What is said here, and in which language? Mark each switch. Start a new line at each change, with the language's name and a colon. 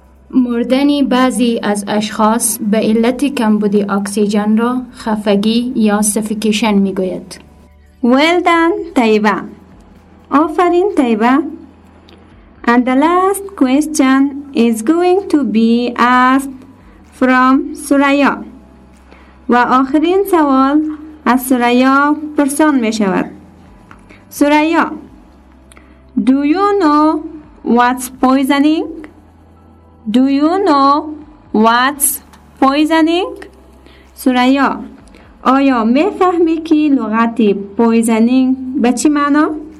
Persian: مردن بعضی از اشخاص به علت کمبود اکسیژن را خفگی یا suffocation میگوید.
English: Well done, طیبه.
Persian: آفرین طیبه.
English: And the last question is going to be asked from سریا.
Persian: و آخرین سوال از سریا پرسان می شود.
English: سریا, do you know what's poisoning? Do you know what's poisoning?
Persian: سریا, آیا می فهمی که لغت poisoning به چی معنا؟